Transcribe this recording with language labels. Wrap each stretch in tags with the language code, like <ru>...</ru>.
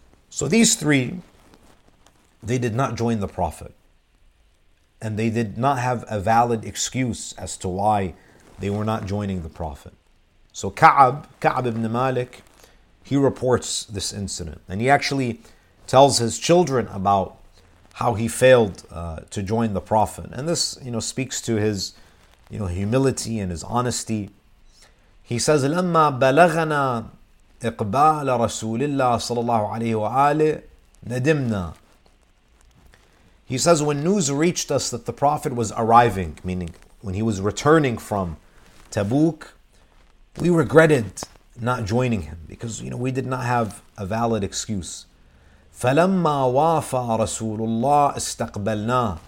<en>So these three, they did not join the Prophet, and they did not have a valid excuse as to why they were not joining the Prophet. So Ka'b ibn Malik, he reports this incident. And he actually tells his children about how he failed to join the Prophet. And this, you know, speaks to his, you know, humility and his honesty. He says,</en> <ar>لَمَّا بَلَغَنَا إِقْبَالَ رَسُولِ اللَّهِ صَلَى اللَّهُ عَلَيْهُ وَآلِهِ نَدِمْنَا.</ar> <en>He says, when news reached us that the Prophet was arriving, meaning when he was returning from Tabuk, we regretted not joining him because, you know, we did not have a valid excuse.</en> <ar>فَلَمَّا وَافَى رَسُولُ اللَّهِ اسْتَقْبَلْنَا.</ar>